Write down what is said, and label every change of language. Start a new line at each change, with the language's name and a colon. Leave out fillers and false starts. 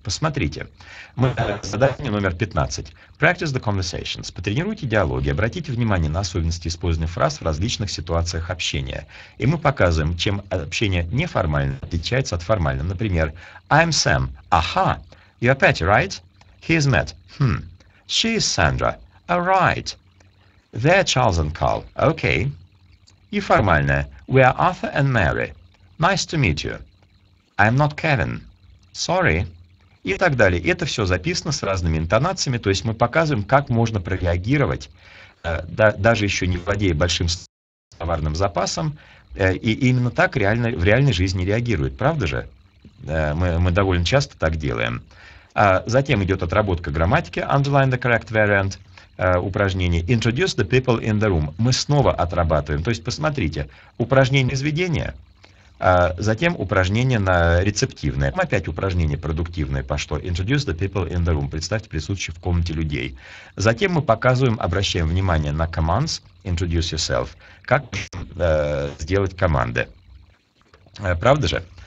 Russian: Посмотрите, мы задание номер 15.
English: Practice the conversations.
Russian: Потренируйте диалоги, обратите внимание на особенности использования фраз в различных ситуациях общения. И мы показываем, чем общение неформально отличается от формального. Например,
English: I'm Sam. Aha. You're Patty, right? He's Matt. Hmm. She is Sandra. All right. They're Charles and Carl. Okay.
Russian: И формальное.
English: We are Arthur and Mary. Nice to meet you. I'm not Kevin. Sorry.
Russian: И так далее. Это все записано с разными интонациями. То есть мы показываем, как можно прореагировать, даже еще не владея большим словарным запасом. И именно так реально, в реальной жизни реагирует. Правда же? Мы довольно часто так делаем. Затем идет отработка грамматики,
English: underline the correct variant,
Russian: упражнение,
English: introduce the people in the room.
Russian: Мы снова отрабатываем, то есть посмотрите, упражнение изведения, затем упражнение на рецептивное, опять упражнение продуктивное пошло,
English: introduce the people in the room,
Russian: представьте присутствующих в комнате людей. Затем мы показываем, обращаем внимание на commands,
English: introduce yourself,
Russian: как сделать команды. Правда же?